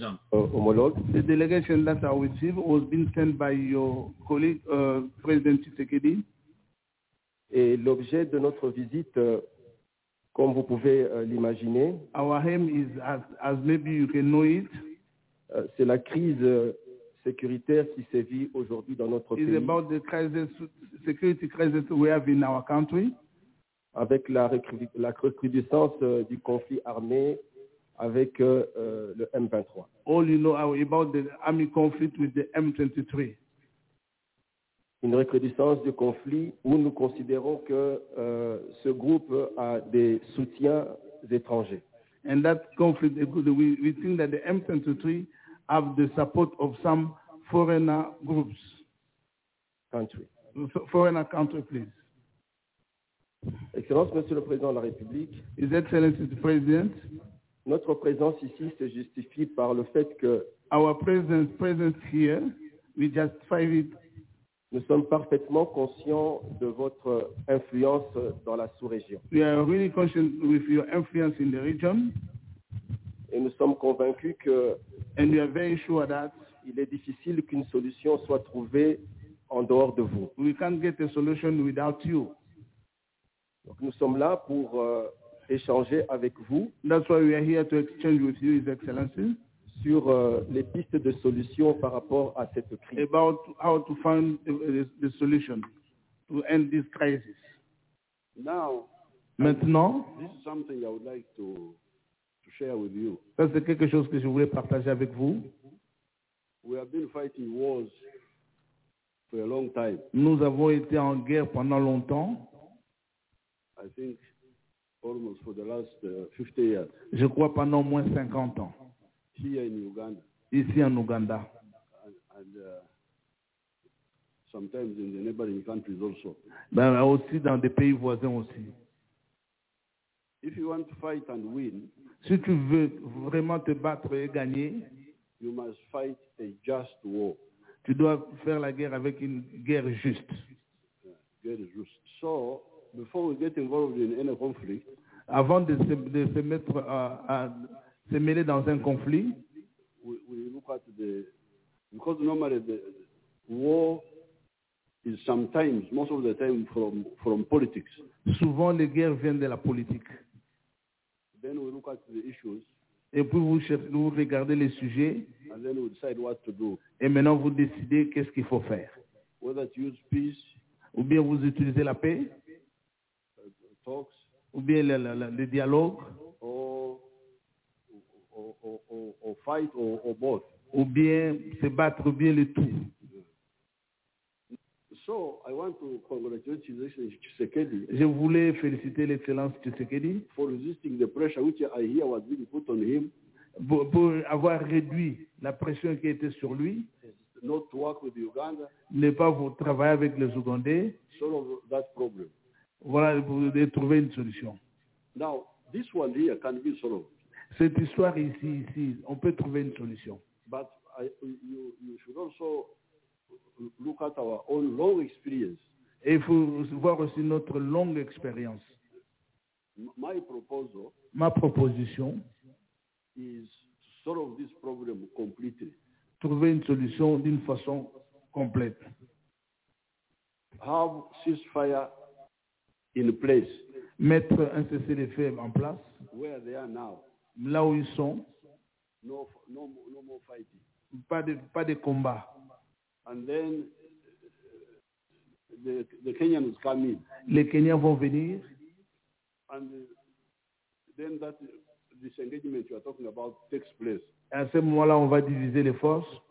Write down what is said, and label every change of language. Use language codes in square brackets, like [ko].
[en] the delegation that I received was being sent by your colleague, President Tshisekedi. [fr] Et l'objet de notre visite, comme vous pouvez l'imaginer, [en] our aim is, as maybe you can know it, [fr] c'est la crise sécuritaire qui sévit aujourd'hui dans notre pays. [en] It's about the crisis, security crisis we have in our country. [fr] Avec la recrudescence du conflit armé avec le M23. [en] All you know about the army conflict with the M23. [fr] une recrudescence du conflit où nous considérons que ce groupe a des soutiens étrangers. [en] And that conflict, we think that the M23 have the support of some foreigner groups. Country. Foreigner country, please. [fr] Excellence, Monsieur le Président de la République. [en] His Excellency the President. [fr] Notre présence ici se justifie par le fait que [en] our presence here, we justify it. [fr] Nous sommes parfaitement conscients de votre influence dans la sous-région. [en] We are really conscious with your influence in the region. [fr] Et nous sommes convaincus que [en] and we are very sure that [fr] il est difficile qu'une solution soit trouvée en dehors de vous. [en] We can't get a solution without you. [fr] Donc nous sommes là pour échanger avec vous. [en] That's why we are here to exchange with you, His Excellency. [fr] Sur les pistes de solution par rapport à cette crise. [en] About how to find the solution to end this crisis. Now, [fr] maintenant, [en] this is something I would like to share with you. [fr] Ça c'est quelque chose que je voulais partager avec vous. [en] We have been fighting wars for a long time. [fr] Nous avons été en guerre pendant longtemps. [en] I think almost for the last 50 years. [fr] Je crois pendant au moins 50 ans. [en] Here in Uganda. [fr] Ici en Uganda. [en] And sometimes in the neighboring countries also. [fr] Ben aussi dans des pays voisins aussi. [en] If you want to fight and win, [fr] si tu veux vraiment te battre et gagner, [en] you must fight a just war. [fr] Tu dois faire la guerre avec une guerre juste. Guerre juste. [en] So, before we get involved in any conflict, [fr] avant de se mettre à se mêler dans un conflit, [en] we look at the, because normally the war is sometimes, most of the time, from politics. [fr] Souvent, les guerres viennent de la politique. [en] Then we look at the issues. [fr] Et puis vous regardez les sujets. [en] And then we decide what to do. [fr] Et maintenant, vous décidez qu'est-ce qu'il faut faire. [en] Whether to use peace. [fr] Ou bien vous utilisez la paix. [en] Talks. [fr] Ou bien le dialogue. [en] Or fight or both. [fr] Ou bien se battre, ou bien le tout. [en] So I want to congratulate His Excellency Tshisekedi. [fr] Je voulais féliciter l'excellence Tshisekedi [en] for resisting the pressure which I hear was being put on him. [fr] Pour avoir réduit la pression qui était sur lui. [en] Not to work with Uganda. [fr] Ne pas travailler avec les Ougandais. [en] Solve that problem. [fr] Voilà, vous devez trouver une solution. [en] Now this one here can be solved. [fr] Cette histoire ici, on peut trouver une solution. [en] But you should also look at our own long experience. [fr] Et il faut voir aussi notre longue expérience. [en] My proposal. [fr] Ma proposition. [en] Is to solve this problem completely. [fr] Trouver une solution d'une façon complète. [en] Have ceasefire in place. [fr] Mettre un cessez-le-feu en place. [en] Where they are now. [fr] Là où ils sont, [en] no more fighting. [fr] Pas de combat. [en] And then the Kenyans come in. [fr] Les Kenyans vont venir. [en] And then that disengagement you are talking about takes place. [fr] Et à ce moment-là, on va diviser les forces.